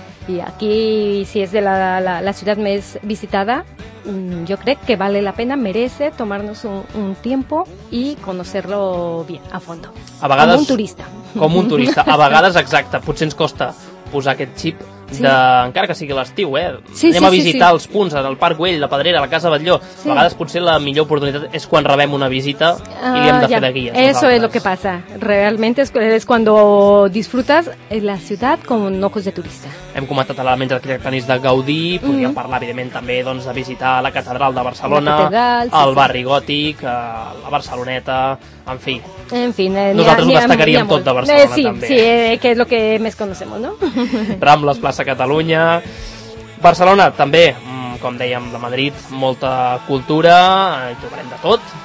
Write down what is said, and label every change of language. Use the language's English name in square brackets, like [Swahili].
[Catalan] I aquí, si és de la ciutat més visitada, jo crec que [Spanish] vale la pena, merece tomar-nos un tiempo y conocerlo bien, a fondo. [Catalan] A vegades, com un turista. Com un turista, a vegades, exacte. Potser ens costa posar aquest xip, encara que sigui l'estiu, anem a visitar els punts, el Parc Güell, la Pedrera, la Casa Batlló. Sí. A vegades potser la millor oportunitat és quan rebem una visita i li hem de fer de guies. [Spanish] Eso es lo que pasa. Realmente es cuando disfrutas la ciutat con ojos de turista. [Catalan] hem comentat elements arquitectònics de Gaudí, podríem parlar, evidentment, també doncs, de visitar la catedral de Barcelona, catedral, el barri gòtic, la Barceloneta, en fi. En fi, nosaltres ho destacaríem tot de Barcelona, sí, també. Sí, que és el que més coneixem, no? Rambles, plaça Catalunya... Barcelona, també, com dèiem, de Madrid, molta cultura, trobarem de tot.